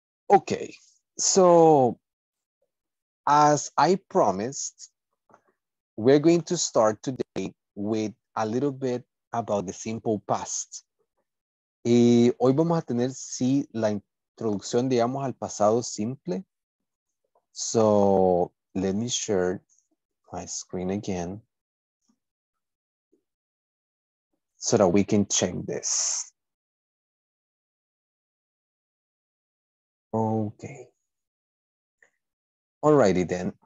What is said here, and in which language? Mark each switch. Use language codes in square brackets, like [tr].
[en] Okay, so as I promised, we're going to start today with a little bit about the simple past. [es] Y hoy vamos a tener, sí, la introducción, digamos, al pasado simple. [en] So let me share my screen again so that we can check this. Okay. All righty then.